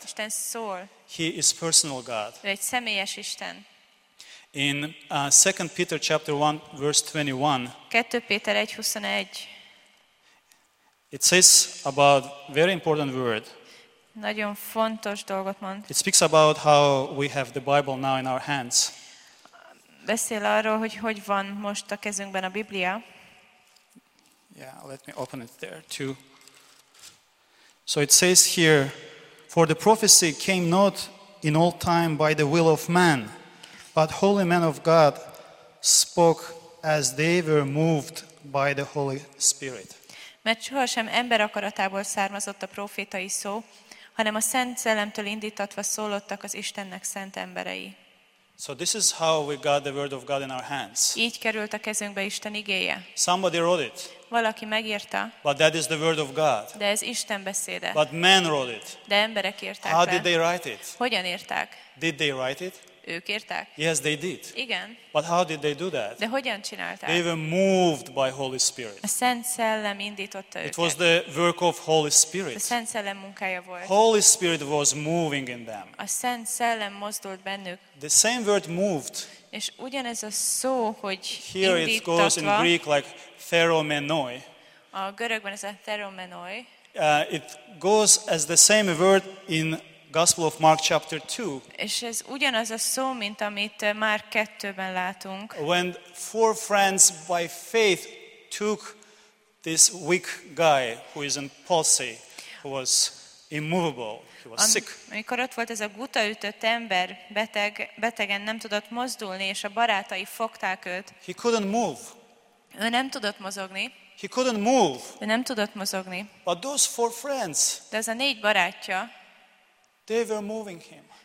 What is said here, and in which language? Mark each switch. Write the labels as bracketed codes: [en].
[hu] Isten szól. [en] He is personal God. [hu] Ő egy személyes Isten. [en] In 2 Peter chapter 1 verse 21. [hu] 2 Péter 1:21. [en] It says about very important word. [hu] Nagyon fontos dolgot mond. [en] It speaks about how we have the Bible now in our hands. [hu] Beszél arról, hogy van most a kezünkben a Biblia. [en] Yeah, let me open it there too. So it says here, for the prophecy came not in old time by the will of man, but holy men of God spoke as they were moved by the Holy Spirit. [hu] Mert sohasem ember akaratából származott a prófétai szó, hanem a Szent Szellemtől indítatva szólottak az Istennek szent emberei. [en] So this is how we got the word of God in our hands. [hu] Így került a kezünkbe Isten igéje. [en] Somebody wrote it. [hu] Valaki megírta. [en] But that is the word of God. [hu] De ez Isten beszéde. [en] But men wrote it. [hu] De emberek írták. [en] How did they write it? [hu] Hogyan írták? [en] Did they write it? [hu] Ők írták. [en] Yes, they did. [hu] Igen. [en] But how did they do that? [hu] De hogyan csinálták? [en] They were moved by Holy Spirit. [hu] A Szent Szellem indította őket. [en] It was the work of Holy Spirit. [hu] A Szent Szellem munkája volt. [en] Holy Spirit was moving in them. [hu] A Szent Szellem mozdult bennük. [en] The same word moved. [hu] És ugyanez a szó, hogy [en] here Here it goes in Greek like theromenoi. [hu] A görögben ez a theromenoi. [en] It goes as the same word in Gospel of Mark chapter 2. [hu] És ez ugyanaz a szó, mint amit Márk 2-ben látunk. [en] When four friends by faith took this weak guy who is in palsy, who was immovable, he was sick. [hu] Amikor ott volt ez a gutaütött ember, betegen nem tudott mozdulni, és a barátai fogták őt. [en] He couldn't move. [hu] Ő nem tudott mozogni. [en] He couldn't move. [hu] Ő nem tudott mozogni. [en] But those four friends. [hu] De ez a négy barátja. [en] They were moving him.